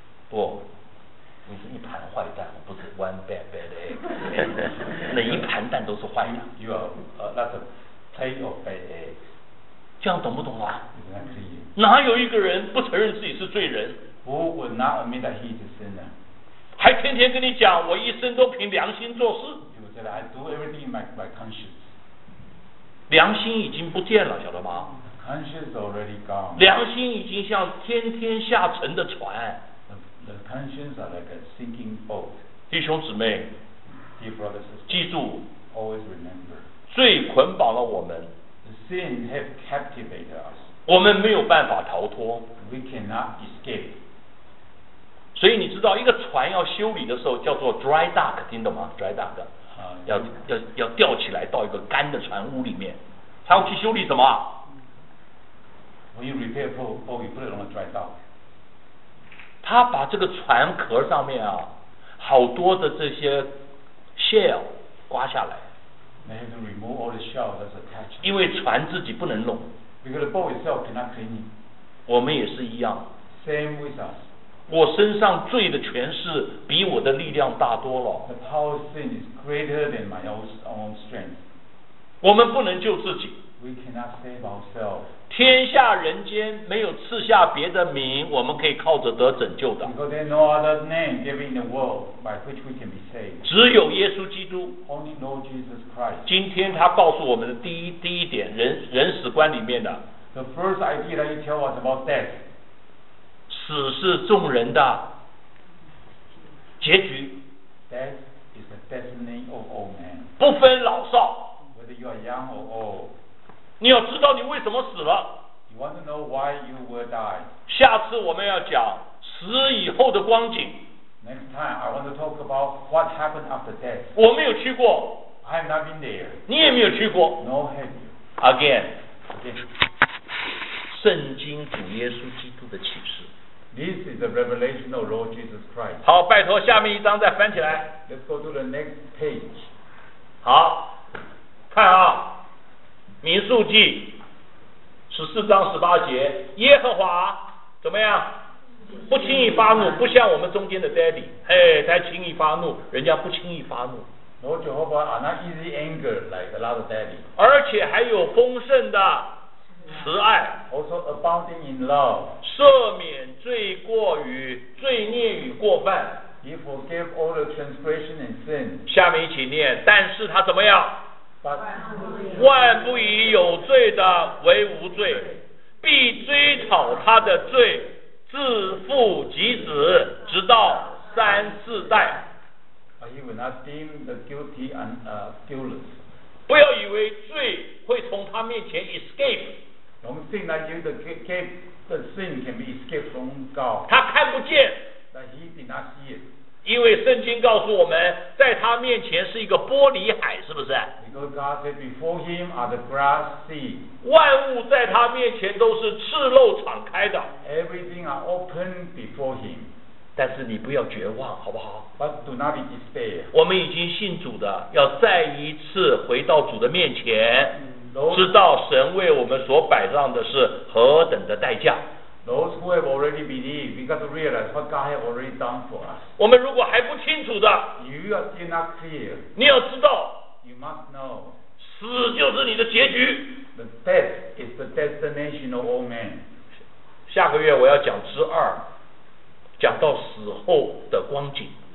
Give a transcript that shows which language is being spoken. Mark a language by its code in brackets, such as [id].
[zh] 不，你是一盘坏蛋，不是 [en] one bad bad egg. [zh] 那一盘蛋都是坏蛋。 [en] You are not a plate of bad egg. [zh] 这样懂不懂啊？哪有一个人不承认自己是罪人？ [en] Who would not admit that he is a sinner? [zh] 还天天跟你讲，我一生都凭良心做事。 [en] You said I do everything in my conscience. [zh] 良心已经不见了，晓得吗？ [en] Conscience already gone. [zh] 良心已经像天天下沉的船。 [en] The conscience are like a sinking boat. [zh] 弟兄姊妹， [en] Dear brothers, [zh] 记住， [en] always remember. [zh] 罪捆绑了我们。 [en] Sin have captivated us. [zh] 我们没有办法逃脱。 [en] We cannot escape. [zh] 所以你知道，一个船要修理的时候叫做 dry dock， 听懂吗 ？Dry dock， 要吊起来到一个干的船屋里面，他要去修理什么 [en] ？When you repair boat, you put it on a dry dock. [zh] 他把这个船壳上面啊，好多的这些 shell 刮下来。 [en] They have to remove all the shell that's attached. [zh] 因为船自己不能弄。 [en] Because the boat itself cannot clean it. [zh] 我们也是一样。 [en] Same with us. [zh] 我身上罪的权势比我的力量大多了。 [en] The power of sin is greater than my own strength. [zh] 我们不能救自己。 [en] We cannot save ourselves. [zh] 天下人间没有赐下别的名，我们可以靠着得拯救的。 [en] Because there's no other name given in the world by which we can be saved. [zh] 只有耶稣基督。 [en] Only know Jesus Christ. [zh] 今天他告诉我们的第一点，人死观里面的。 [en] The first idea that he tells us about death. [zh] 死是众人的结局。 [en] Death is the destiny of all men. [zh] 不分老少。 [en] Whether you are young or old. [zh] 你要知道你为什么死了。 [en] You want to know why you will die. [zh] 下次我们要讲死以后的光景。 [en] Next time I want to talk about what happened after death. [zh] 我没有去过。 [en] I have not been there. [zh] 你也没有去过。 [en] No, have you? Again. Again. [zh] 圣经主耶稣基督的启示。 [en] This is the revelation of Lord Jesus Christ. [zh] 好，拜托，下面一张再翻起来。 [en] Let's go to the next page. [zh] 好，看啊。民数记十四章十八节，耶和华怎么样？不轻易发怒，不像我们中间的 Daddy， 嘿，他轻易发怒，人家不轻易发怒。 [en] Lord Jehovah are not easy anger like a lot of Daddy。 [zh] 而且还有丰盛的慈爱。 [en] Also abounding in love。 [zh] 赦免罪过与罪孽与过犯。 [en] He forgave all the transgression and sin. [zh] 下面一起念，但是他怎么样？ [en] But, [zh] 万不以有罪的为无罪，必追讨他的罪，自父及子，直到三四代。 [en] He will not deem the guilty and guiltless. [zh] 不要以为罪会从他面前 escape. [en] Don't think that you the sin can be escaped from God. [zh] 他看不见。 [en] That he did not see it. [zh] 因为圣经告诉我们，在他面前是一个玻璃海，是不是？ [en] Because God said before him are the glass sea. [zh] 万物在他面前都是赤露敞开的。 [en] Everything are open before him. [zh] 但是你不要绝望，好不好？ [en] But do not be despair. [zh] 我们已经信主的，要再一次回到主的面前， [en] those, [zh] 知道神为我们所摆上的是何等的代价。 [en] Those who have already believed, we got to realize what God has already done for us. [zh] 我们如果还不清楚的， [en] you are still not clear. [zh] 你要知道， [en] you must know. [zh] 死就是你的结局。 [en] The death is the destination of all men. [zh] 下个月我要讲之二。讲到死后的光景。